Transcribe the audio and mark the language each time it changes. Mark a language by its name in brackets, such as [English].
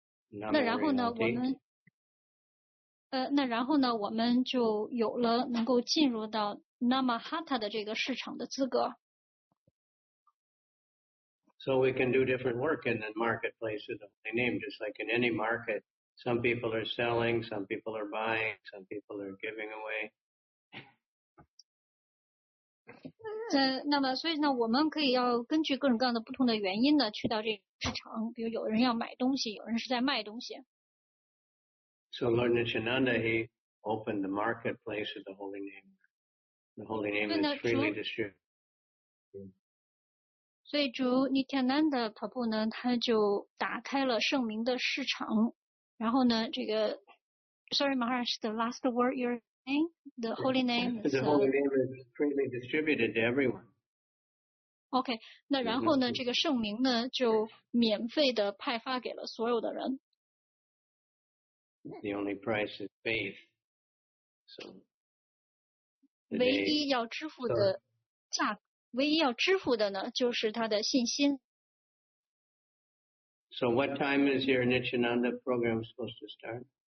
[Chinese] 那然后呢，我们，那然后呢，我们就有了能够进入到 Namahatta 的这个市场的资格。 [English] So we can do different work in the marketplace of the holy name, just like in any market. Some people are selling, some people are buying, some people are giving away. [Chinese] 那么所以呢，我们可以要根据各种各样的不同的原因呢，去到这个市场。比如有人要买东西，有人是在卖东西。 [English] So Lord Nityananda, he opened the marketplace of the holy name. The holy name is freely distributed. [Chinese] 所以主 Nityananda Prabhu 呢，他就打开了圣名的市场。然后呢，这个 [English] ，Sorry, Maharaj, the last word you're. The holy name. The holy name is freely distributed to everyone. [Chinese] Okay, 那然后呢？这个圣名呢，就免费的派发给了所有的人。 [English] The only price is faith. So, [Chinese] 唯一要支付的价格，唯一要支付的呢，就是他的信心。 [English] So, what time is your Nityananda program supposed to start?